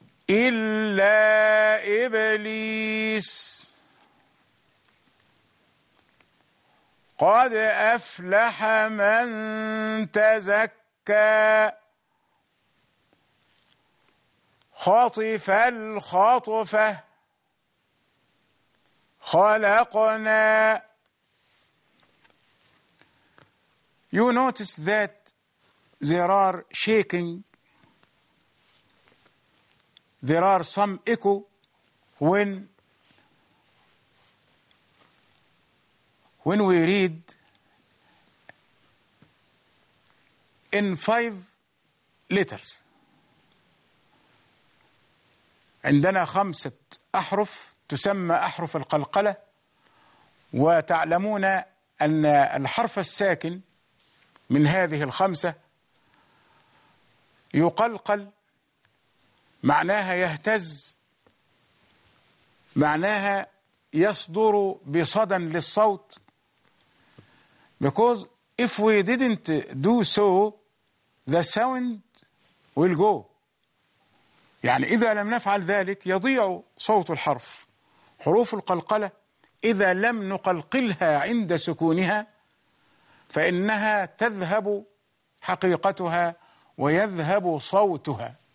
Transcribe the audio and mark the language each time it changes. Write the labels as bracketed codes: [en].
[ar] إلا إبليس قد أفلح من تزكى خطف الخطفة خلقنا. [en] You notice that there are shaking, there are some echo when we read in five letters. [ar] عندنا خمسة أحرف تسمى أحرف القلقلة، وتعلمون أن الحرف الساكن من هذه الخمسة يقلقل، معناها يهتز، معناها يصدر بصدى للصوت. [en] Because if we didn't do so, the sound will go. [ar] يعني إذا لم نفعل ذلك يضيع صوت الحرف. حروف القلقلة إذا لم نقلقلها عند سكونها فإنها تذهب حقيقتها ويذهب صوتها.